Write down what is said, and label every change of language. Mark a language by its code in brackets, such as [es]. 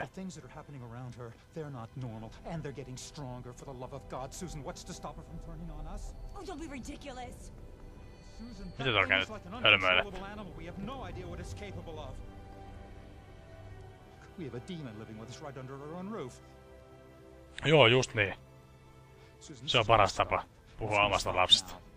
[en] The things that are happening around her, they're not normal and they're getting stronger for the love of God. Susan, what's to stop her from turning on us? Oh, don't be ridiculous. [fi] Susan, mitä tää oikein hölmöilet? [en] We have no idea what it's capable of. We have a demon living with us right under our own roof. [fi] Joo, just niin. Se on paras tapa puhua omasta lapsesta.